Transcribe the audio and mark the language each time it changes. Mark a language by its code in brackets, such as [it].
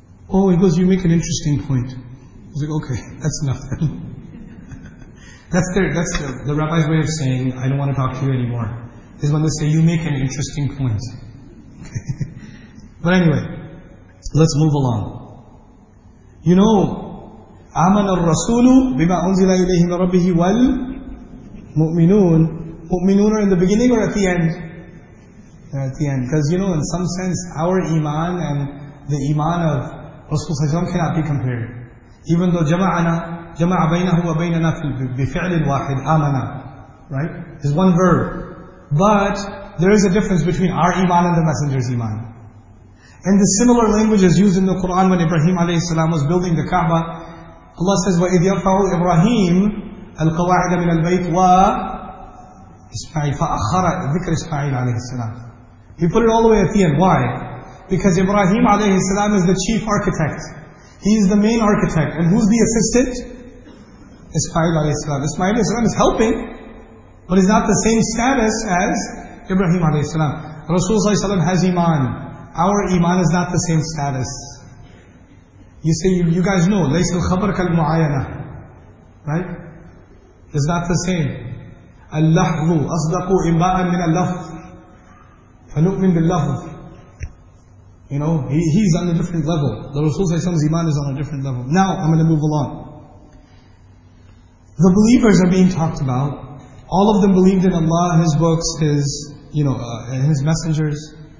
[en] Oh, he goes, you make an interesting point. I was like, okay, that's enough. That's the rabbi's way of saying, I don't want to talk to you anymore. Is when they say, you make an interesting point. But anyway, let's move along. You know, [ar] آمَنَ الرَّسُولُ بِمَا أُنزِلَ إِلَيْهِ مِنْ رَبِّهِ وَالْمُؤْمِنُونَ. [en] Mu'minun are in the beginning or at the end? They're at the end. Because you know, in some sense, our iman and the iman of Rasulullah cannot be compared. Even though [ar] jama'a baynahu wa baynana bifi'lin wahid, amana. [en] Right? It's one verb. But there is a difference between our iman and the Messenger's iman. And the similar language is used in the Quran when Ibrahim alayhi salam was building the Kaaba. Allah says, [ar] وَإِذْ يَرْفَعُ إِبْرَاهِيمُ الْقَوَاعِدَ مِنَ الْبَيْتِ wa Ismail, فَأَخَّرَ ذِكْرِ إِسْمَعِيلَ عَلَيْهِ السَّلَامِ. [en] He put it all the way at the end. Why? Because Ibrahim alayhi salam is the chief architect. He is the main architect. And who's the assistant? Ismail alayhi salam. Ismail alayhi salam is helping, but he's not the same status as Ibrahim alayhi salam. Rasulullah alayhi salam has iman. Our iman is not the same status. You say, you guys know, [ar] لَيْسَ الْخَبَرْ كَالْمُعَيَنَةِ. [en] Right? It's not the same. [ar] اللحظ أصدق إنباء من اللفظ فنؤمن باللفظ. [en] You know, he's on a different level. The Rasulullah's iman is on a different level. Now, I'm going to move along. The believers are being talked about. All of them believed in Allah, His books, His messengers.